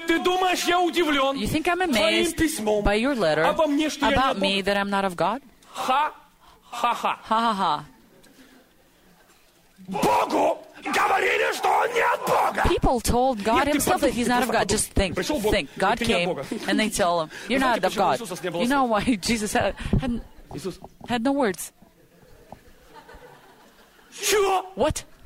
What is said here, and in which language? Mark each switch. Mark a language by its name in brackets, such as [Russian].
[English] You think I'm amazed by your letter about me that I'm not of God? Ha, ha, ha. Ha, ha, ha. [Russian] Богу говорили, что он не от Бога. [English] People told God himself that he's not of God. Just think. Think. God came and they tell him, you're not of God. You know why Jesus had no words? What?